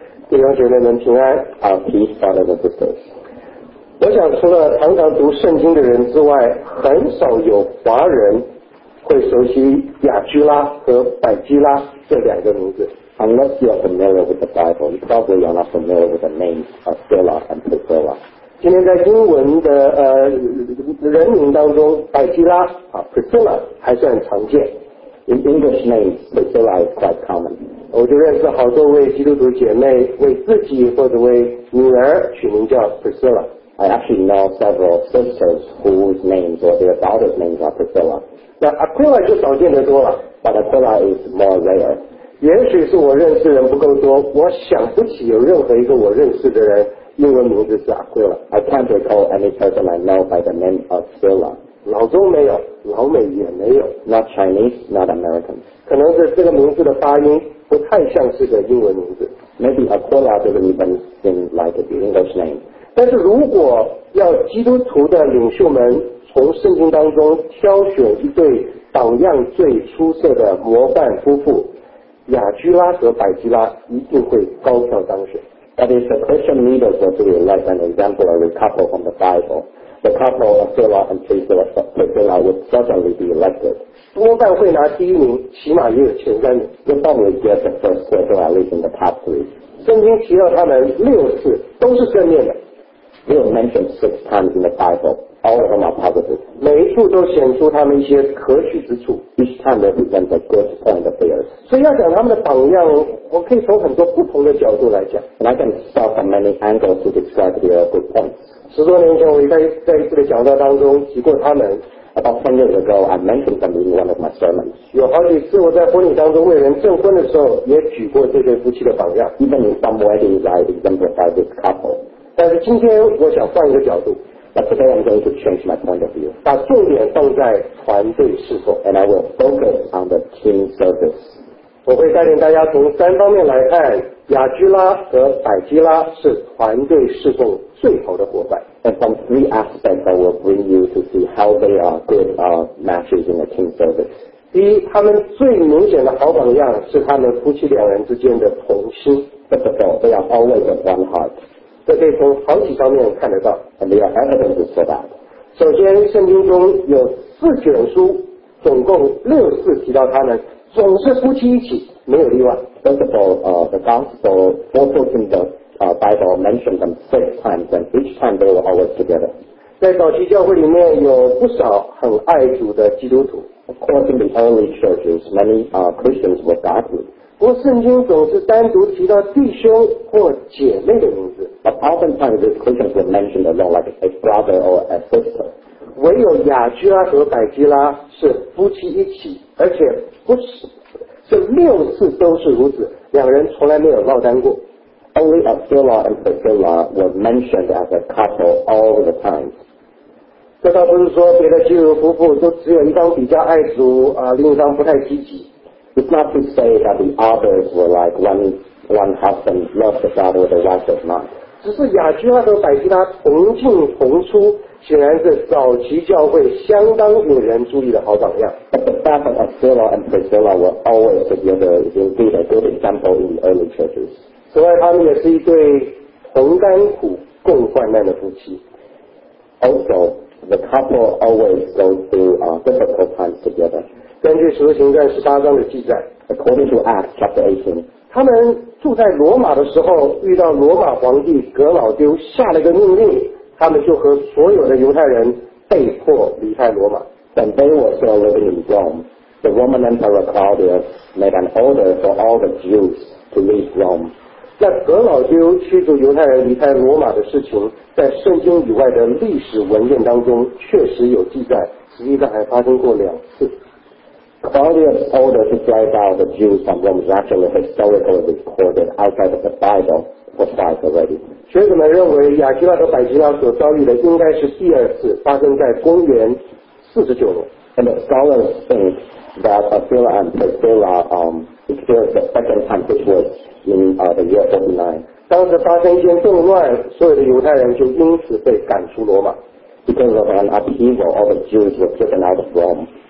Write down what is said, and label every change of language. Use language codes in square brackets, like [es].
[zh] 弟兄姐妹们平安，好，提起大家的不得。我想除了常常读圣经的人之外，很少有华人会熟悉亚居拉和百基拉这两个名字。 [en] Unless you're familiar with the Bible, you probably are not familiar with the names of Sila and Priscilla. [zh] 今天在英文的人名当中，百基拉啊 ，Priscilla 还算常见。 [en] In English names, Priscilla is quite common. [zh] 我就认识好多位基督徒姐妹，为自己或者为女儿取名叫 Priscilla。 [en] I actually know several sisters whose names or their daughter's names are Priscilla. [zh] 那 Aquila 就少见得多了 [en] ，But Aquila is more rare. [zh] 也许是我认识人不够多，我想不起有任何一个我认识的人英文名字是 Aquila. [en] I can't recall any person I know by the name of Aquila. [zh] 老中没有，老美也没有 [en] ，Not Chinese, not American. [zh] 可能是这个名字的发音不太像是个英文名字 [en] ，Maybe Aquila doesn't even seem like an English name. [zh] 但是如果要基督徒的领袖们从圣经当中挑选一对榜样最出色的模范夫妇，亚居拉和百基拉一定会高票当选。 [en] That is the Christian leaders were to be like an exemplary couple from the Bible. The couple of Sila and Priscilla would certainly be elected. [zh] 多半会拿第一名，起码也有前三名。 [en] They probably get the first place or at least in the top three. [zh] 圣经提到他们六次都是正面的。 [en] They were mentioned six times in the Bible. All of them are positive. [zh] 每一处都显出他们一些可取之处。 [en] Each time they present a good point of theirs. [zh] 所以要讲他们的榜样，我可以从很多不同的角度来讲。 [en] And I can start from many angles to describe their good points. [zh] 十多年前，我在一次的讲座当中提过他们。 [en] About 10 years ago, I mentioned them in one of my sermons. [zh] 有好几次我在婚礼当中为人证婚的时候，也举过这对夫妻的榜样。 [en] Even in some weddings, I exemplify this couple. [zh] 但是今天我想换一个角度 [en] But today I'm going to change my point of view [zh] 把重点放在团队侍奉 [en] And I will focus on the team service [zh] 我会带领大家从三方面来看亚居拉和百基拉是团队侍奉最好的伙伴 [en] And from three aspects I will bring you to see how they are good matches in the team service [zh] 第一他们最明显的好榜样是他们夫妻两人之间的同心 [en] First of all, they are always of one heart [zh] 这可以从好几方面看得到 [en] And there are evidences for that [zh] 首先圣经中有四卷书总共六次提到他们总是夫妻一起没有例外 [en] First of all, the gospel four books in the Bible mentioned them six times and each time they were always together [zh] 在早期教会里面有不少很爱主的基督徒 [en] Of course in the early churches many Christians were godly [zh] 不过圣经总是单独提到弟兄或姐妹的名字 [en] But oftentimes these Christians were mentioned alone like a brother or a sister [zh] 唯有亚居拉和百基拉是夫妻一起而且不是这六次都是如此两人从来没有落单过 [en] Only Aquila and Priscilla were mentioned as a couple all the time [zh] 这倒不是说别的基督徒夫妇都只有一方比较爱主另一方不太积极 [en] It's not to say that the others were like one husband loves the other or the wife does not. [zh] 只是亚居拉和百基拉同进同出，显然是早期教会相当引人注意的好榜样。 [en] But the fact of Aquila and Priscilla were always together is indeed a good example in the early churches. [zh] 此外，他们也是一对同甘苦、共患难的夫妻。 [en] Also, the couple always go through difficult times together. [zh] 根据《使徒行传》十八章的记载 [en] ，According to Acts chapter 18， [zh] 他们住在罗马的时候，遇到罗马皇帝格老丢下了一个命令，他们就和所有的犹太人被迫离开罗马。 [en] When they were still living in Rome, the Roman Emperor Claudius made an order for all the Jews to leave Rome. [zh] 在格老丢驱逐犹太人离开罗马的事情，在圣经以外的历史文件当中确实有记载，实际上还发生过两次。 [en] Claudius' order to drive out the Jews from Rome is actually historically recorded outside of the Bible for five already. [zh] 学者们认为亚基拉和百基拉所遭遇的应该是第二次，发生在公元49年。 [en] And the scholars think that Aquila and Priscilla experienced the second time, which was in the year 49. [zh] 当时发生一件动乱，所有的犹太人就因此被赶出罗马。 [en] Because of an upheaval, all the Jews were driven out of Rome.